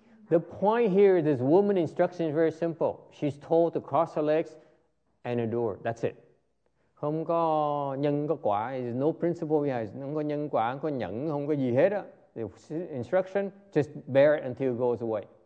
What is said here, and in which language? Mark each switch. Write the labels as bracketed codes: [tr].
[en] The point here, this woman's instruction is very simple. She's told to cross her legs and endure. That's it. [vi] Không có nhân có quả. [en] There's no principle behind. [vi] Không có nhân quả, không có nhẫn, không có gì hết. [en] The instruction, just bear it until it goes away.